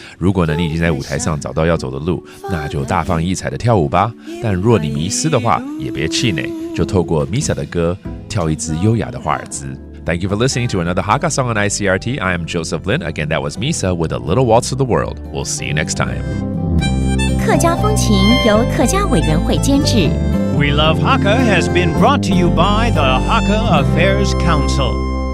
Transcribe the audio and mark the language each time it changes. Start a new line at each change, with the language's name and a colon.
Chinese: 如果呢你已经在舞台上找到要走的路，那就大放异彩的跳舞吧。但若你迷失的话，也别气馁，就透过 Misa 的歌跳一支优雅的华尔兹。
English: Thank you for listening to another Hakka song on ICRT. I am Joseph Lin. Again, that was Misa with A Little Waltz of the World. We'll see you next time.
Chinese: 客家风情由客家委员会监制。
English: We Love Hakka has been brought to you by the Hakka Affairs Council.